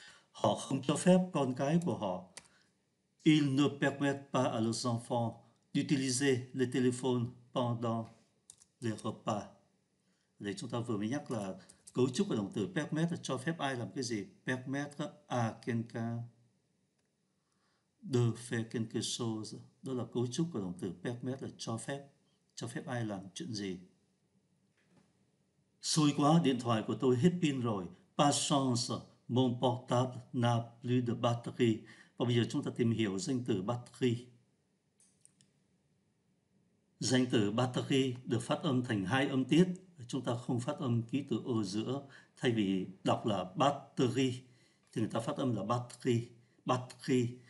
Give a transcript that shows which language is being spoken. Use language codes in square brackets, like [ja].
[vi] Họ không cho phép con cái của họ. [fr] Ils ne permettent pas à leurs enfants d'utiliser les téléphones pendant les repas. [vi] Đây chúng ta vừa mới nhắc là cấu trúc của động từ permettre là cho phép ai làm cái gì. [fr] Permettre à quelqu'un de faire quelque chose. [vi] Đó là cấu trúc của động từ permettre là cho phép. Cho phép ai làm chuyện gì. Xui quá, điện thoại của tôi hết pin rồi. [fr] Pas chance. Mon portable n'a plus de batterie. [vi] Và bây giờ chúng ta tìm hiểu danh từ batterie. Danh từ batterie được phát âm thành hai âm tiết. Chúng ta không phát âm ký tự ở giữa. Thay vì đọc là battery, thì người ta phát âm là batterie. Batterie.